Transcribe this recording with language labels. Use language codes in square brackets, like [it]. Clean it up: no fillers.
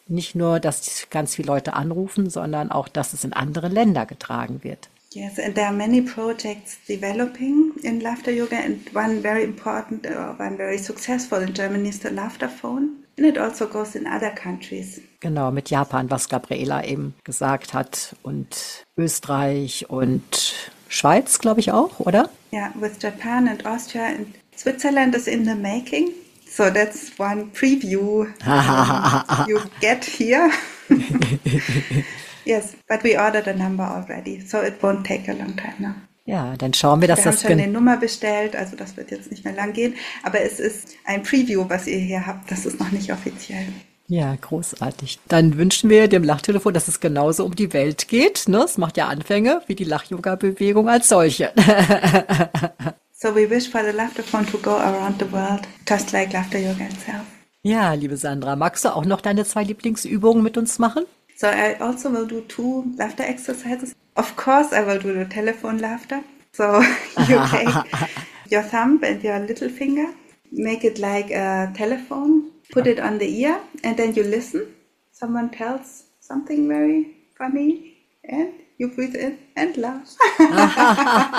[de] Nicht nur, dass ganz viele Leute anrufen, sondern auch, dass es in andere Länder getragen wird. [en] Yes, and there are many projects developing in laughter yoga, and one very important or one very successful in Germany is the laughter phone, and it also goes in other countries. [de] Genau, mit Japan, was Gabriela eben gesagt hat, und Österreich und Schweiz, glaube ich auch, oder? [en] Yeah, with Japan and Austria, and Switzerland is in the making, so that's one preview you get here. Yes, but we ordered a number already, so it won't take a long time now. [de] Ja, dann schauen wir, dass wir das... Wir haben schon eine Nummer bestellt, also das wird jetzt nicht mehr lang gehen, aber es ist ein Preview, was ihr hier habt, das ist noch nicht offiziell. Ja, großartig. Dann wünschen wir dem Lachtelefon, dass es genauso um die Welt geht, ne? Es macht ja Anfänge wie die Lach-Yoga-Bewegung als solche. [en] So we wish for the Lachtelefon to go around the world, just like Laughter Yoga itself. [de] Ja, liebe Sandra, magst du auch noch deine zwei Lieblingsübungen mit uns machen? [en] So I also will do two laughter exercises. Of course I will do the telephone laughter. So you take your thumb and your little finger, make it like a telephone, put it on the ear, and then you listen. Someone tells something very funny and you breathe in and laugh.